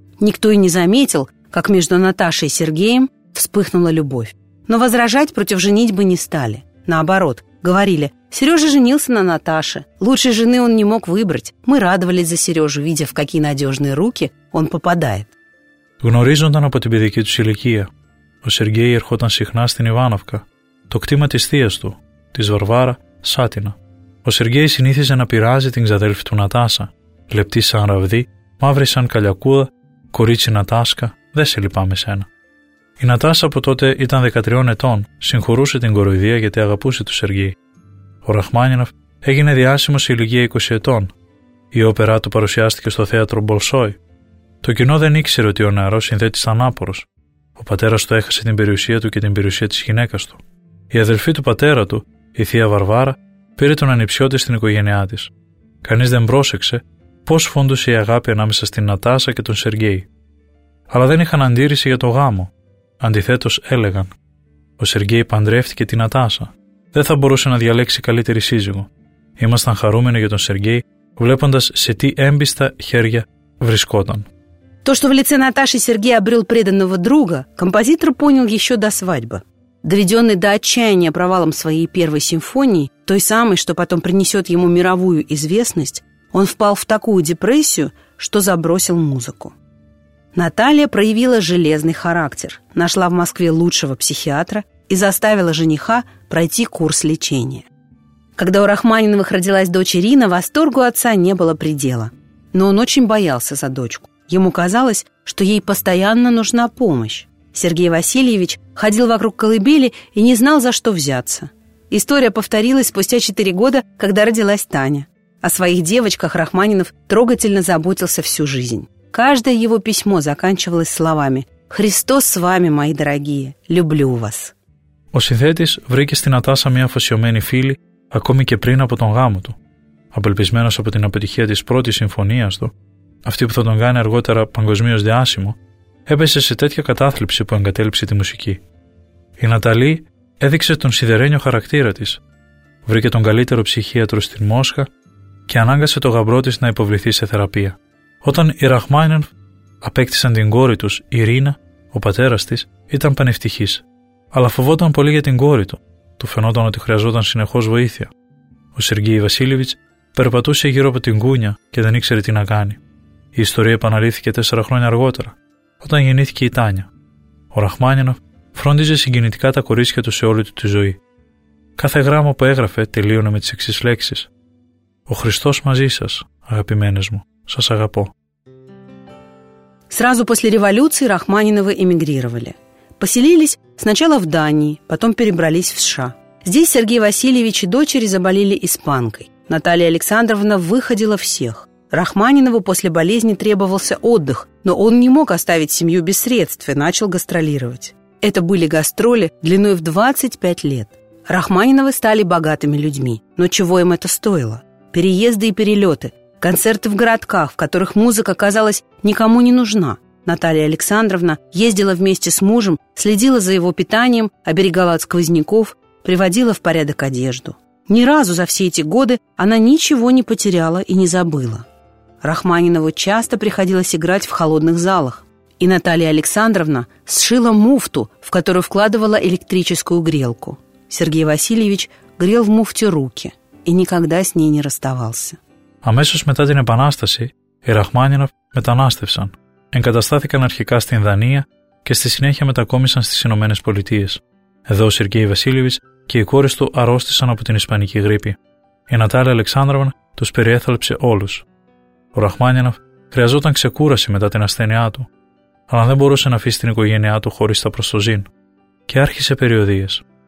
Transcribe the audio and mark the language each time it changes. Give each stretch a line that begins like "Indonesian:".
Russian: Никто и не заметил, как между Наташей и Сергеем вспыхнула любовь. Но возражать против женитьбы не стали. Наоборот, говорили: Сережа женился на Наташе. Лучшей жены он не мог выбрать. Мы радовались за Сережу, видя, в какие надежные руки он попадает.
Greek: Гнорίζονταν από την παιδική του ηλικία. Ο Сергей ερχόταν συχνά στην Ιβάνοφκα, το κτήμα της θείας του, της Βαρβάρα Σάτινα. Ο Σεργέη συνήθιζε να πειράζει την ξαδέλφη του Νατάσα. Λεπτή σαν ραβδί, μαύρη σαν καλιακούδα, κορίτσι Νατάσκα, δεν σε λυπάμαι σένα. Η Νατάσα από τότε ήταν 13 ετών, συγχωρούσε την κοροϊδία γιατί αγαπούσε του Σεργέη. Ο Ραχμάνινοφ έγινε διάσημο σε ηλικία 20 ετών. Η όπερά του παρουσιάστηκε στο θέατρο Μπολσόι. Το κοινό δεν ήξερε ότι ο νεαρός συνδέτης ήταν άπορος. Ο πατέρας του έχασε την περιουσία του και την περιουσία της γυναίκας του. Η αδελφή του πατέρα του, η θεία Βαρβάρα, πήρε τον ανιψιώτη στην οικογένειά της. Κανείς δεν πρόσεξε πώς φόντουσε η αγάπη ανάμεσα στην Νατάσα και τον Σεργέη. Αλλά δεν είχαν αντίρρηση για το γάμο. Αντιθέτως έλεγαν: ο Σεργέη παντρεύτηκε την Νατάσα. Δεν θα μπορούσε να διαλέξει καλύτερη σύζυγο. Ήμασταν χαρούμενοι για τον Σεργέη, βλέποντας σε τι έμπιστα χέρια βρισκόταν.
Russian: Το что в лице Наташи Сергей обрел преданного друга, композитор понял еще до свадьбы. Доведенный до отчаяния провалом своей первой симфонии, той самой, что потом принесет ему мировую известность, он впал в такую депрессию, что забросил музыку. Наталья проявила железный характер, нашла в Москве лучшего психиатра и заставила жениха пройти курс лечения. Когда у Рахманиновых родилась дочь Ирина, восторгу отца не было предела. Но он очень боялся за дочку. Ему казалось, что ей постоянно нужна помощь. Сергей Васильевич ходил вокруг колыбели и не знал, за что взяться. История повторилась спустя 4 года, когда родилась Таня. О своих девочках Рахманинов трогательно заботился всю жизнь. Каждое его письмо заканчивалось словами: «Христос с вами, мои дорогие, люблю вас».
Greek: Ο συνθέτης βρήκε στην Ατάσα μια αφοσιωμένη φίλη ακόμη και πριν από τον γάμο του. Απελπισμένος από την αποτυχία της πρώτης συμφωνίας του, αυτή που θα τον κάνει αργότερα παγκοσμίως διάσημο, έπεσε σε τέτοια κατάθλιψη που εγκατέλειψε τη μουσική. Η Ναταλή έδειξε τον σιδερένιο χαρακτήρα της. Βρήκε τον καλύτερο ψυχίατρο στην Μόσχα και ανάγκασε τον γαμπρό της να υποβληθεί σε θεραπεία. Όταν οι Ραχμάνινοφ απέκτησαν την κόρη τους, η Ρίνα, ο πατέρας της, ήταν πανευτυχής. Αλλά φοβόταν πολύ για την κόρη του. Του φαινόταν ότι χρειαζόταν συνεχώς βοήθεια. Ο Σεργέη Βασίλεβιτς περπατούσε γύρω από την κούνια και δεν ήξερε τι να κάνει. Η ιστορία επαναλήθηκε 4 χρόνια αργότερα, όταν γεννήθηκε η Τάνια. Ο Ραχμάνινοφ φρόντιζε συγκινητικά τα κορίτσια του σε όλη του τη ζωή. Κάθε γράμμα που έγραφε τελείωνε με τις εξής λέξεις: «Ο Χριστός μαζί σας, αγαπημένες μου, σας αγαπώ».
Russian: Сразу после революции Рахманиновы эмигрировали. поселились сначала в Дании, потом перебрались в США. Здесь Сергей Васильевич и дочери заболели испанкой. Наталья Александровна выходила всех. Рахманинову после болезни требовался отдых, но он не мог оставить семью без средств и начал гастролировать. Это были гастроли длиной в 25 лет. Рахманиновы стали богатыми людьми, но чего им это стоило? Переезды и перелеты, концерты в городках, в которых музыка казалась никому не нужна. Наталья Александровна ездила вместе с мужем, следила за его питанием, оберегала от сквозняков, приводила в порядок одежду. Ни разу за все эти годы она ничего не потеряла и не забыла. Рахманинову часто приходилось играть в холодных залах. И Наталья Александровна сшила муфту, в которую вкладывала электрическую грелку. Сергей Васильевич грел в муфте руки и никогда с ней не расставался.
Greek: Амέσως μετά την Επανάσταση, οι Ραχμάνινοφ μετανάστευσαν. Εγκαταστάθηκαν αρχικά στην Δανία και στη συνέχεια μετακόμισαν στις Ηνωμένες Πολιτείες. Εδώ ο Σεργέη Βασίλειβιτς και οι κόρες του αρρώστησαν από την Ισπανική γρήπη. Η Νατάλια Αλεξάνδροβνα τους περιέθαλψε όλους. Ο Ραχμάνινοφ χρειαζόταν ξεκούραση μετά την ασθένειά του, αλλά δεν μπορούσε να αφήσει την οικογένειά του χωρίς τα προστοζήν και άρχισε περιοδίες.